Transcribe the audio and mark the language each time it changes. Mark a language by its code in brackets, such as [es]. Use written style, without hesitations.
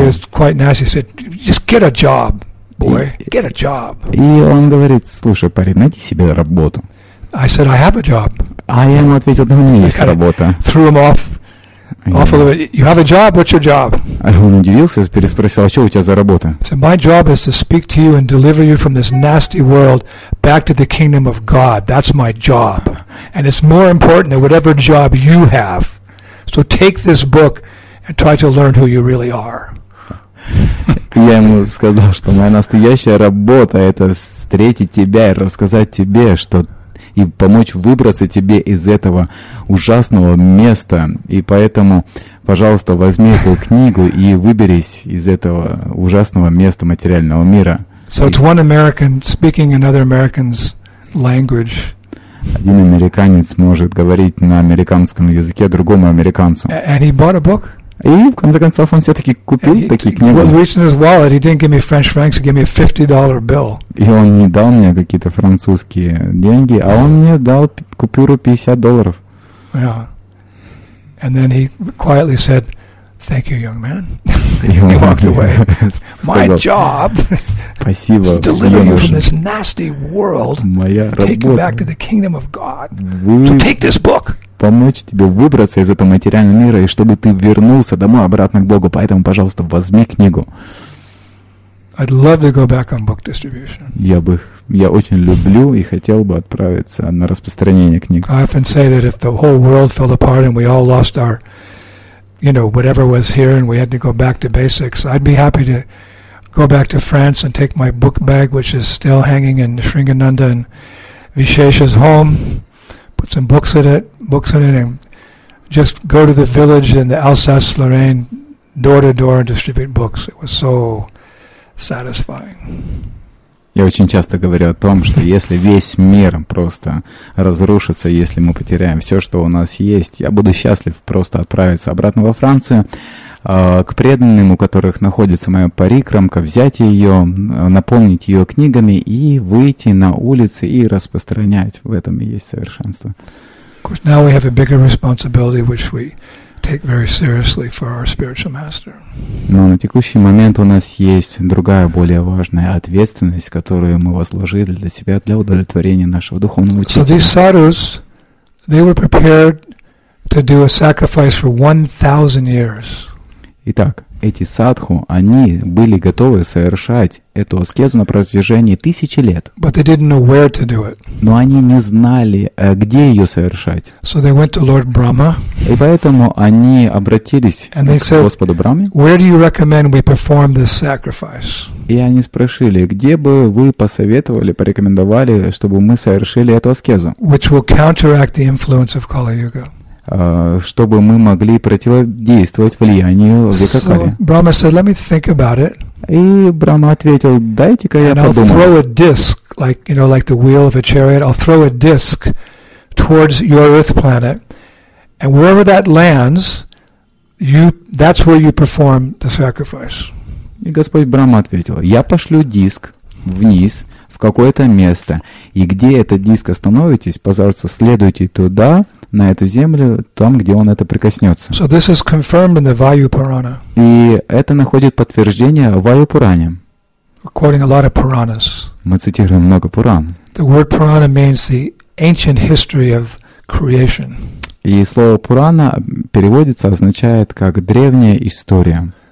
[en] So he was quite nice. He said, just get a job. Boy, get a job. [ru] И он говорит: слушай, парень, найди себе работу. [en] I said, I have a job. [ru] А я ему ответил: да, у меня есть работа. [en] Threw him off a little bit. You have a job, what's your job? [ru] Он удивился, переспросил, а что у тебя за работа? [en] So my job is to speak to you and deliver you from this nasty world back to the kingdom of God. That's my job. And it's more important than whatever job you have. So take this book and try to learn who you really are. [ru] Я ему сказал, что моя настоящая работа — это встретить тебя и рассказать тебе, что и помочь выбраться тебе из этого ужасного места. И поэтому, пожалуйста, возьми эту книгу и выберись из этого ужасного места материального мира. [en] So it's one American speaking another American's language. [ru] Один американец может говорить на американском языке другому американцу. [en] And he bought a book? [ru] И в конце концов он все-таки купил такие книги. [en] He reached in his wallet. He didn't give me French francs. He gave me a $50 bill. [ru] И он не дал мне какие-то французские деньги, а он мне дал купюру $50. [en] Yeah. And then he quietly said, "Thank you, young man." He walked away. My job. [ru] Спасибо. [en] To deliver you from this nasty world. [ru] Моя работа. [en] Take you back to the kingdom of God. To take this book. [ru] Помочь тебе выбраться из этого материального мира, и чтобы ты вернулся домой, обратно к Богу. Поэтому, пожалуйста, возьми книгу. [en] I'd love to go back on book distribution. [ru] Я очень люблю и хотел бы отправиться на распространение книг. [en] I often say that if the whole world fell apart and we all lost our, you know, whatever was here and we had to go back to basics, I'd be happy to go back to France and take my book bag, which is still hanging in Sringananda and Vishesha's home. Some books in it, and just go to the village in the Alsace-Lorraine, door-to-door and distribute books. It was so satisfying. [ru] Я очень часто говорю о том, что если весь мир просто разрушится, если мы потеряем все, что у нас есть, я буду счастлив просто отправиться обратно во Францию, к преданным, у которых находится моя парикрамка, взять ее, наполнить ее книгами и выйти на улицы и распространять. В этом и есть совершенство. [en] Of course, now we have a bigger responsibility, which we take very seriously for our spiritual master. [ru] Но на текущий момент у нас есть другая, более важная ответственность, которую мы возложили для себя, для удовлетворения нашего духовного учителя. [en] So these sadhus, they were prepared to do a sacrifice for 1,000 years. [ru] Итак, эти садху, они были готовы совершать эту аскезу на протяжении тысячи лет. [en] But they didn't know where to do it. [ru] Но они не знали, где ее совершать. [en] So they went to Lord Brahma. [ru] И поэтому они обратились [en] and they [ru] к Господу Брахме. [en] Where do you recommend we perform this sacrifice? [ru] И они спросили, где бы вы посоветовали, порекомендовали, чтобы мы совершили эту аскезу? [en] Which will counteract the influence of Kali-Yuga. [ru] Чтобы мы могли противодействовать влиянию века Кали. [en] So, Brahma said, "Let me think about it." [ru] И Брахма ответил, дайте-ка я подумаю. [en] And I'll throw a disc, like, you know, like the wheel of a chariot. I'll throw a disc towards your Earth planet, and wherever that lands, that's where you perform the sacrifice. [ru] И Господь Брахма ответил, я пошлю диск вниз в какое-то место, и где этот диск остановитесь, пожалуйста, следуйте туда. На эту землю, там, где он это прикоснется. [en] So this is confirmed in the Vayu Purana. [ru] И это находит подтверждение в Ваю Пуране. [en] Quoting a lot of Puranas. [ru] Мы цитируем много Пуран. [en] The word Purana means the ancient history of creation. [ru] И слово Пурана переводится, означает как древняя история.